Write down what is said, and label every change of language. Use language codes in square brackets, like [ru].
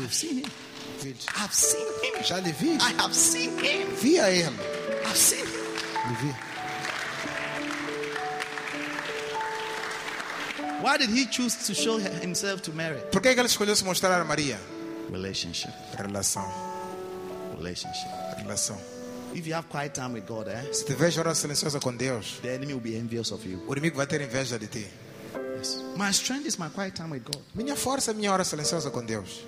[en] I've seen him. I've seen him. [pt] Já lhe vi. [en] I have seen him. [pt] Vi a ele. [en] I've seen him. [pt] Vi. [en] Why did he choose to show himself to Mary? [pt] Por que ele escolheu se mostrar a Maria? [en] Relationship. [pt] Relação. [en] Relationship. [pt] Relação. [en] If you have quiet time with God, eh? [pt] Se tiver horas silenciosas com Deus, [en] the enemy will be envious of you. [pt] O inimigo vai ter inveja de ti. [en] Yes. My strength is my quiet time with God. [pt] Minha força é minha hora silenciosa com Deus.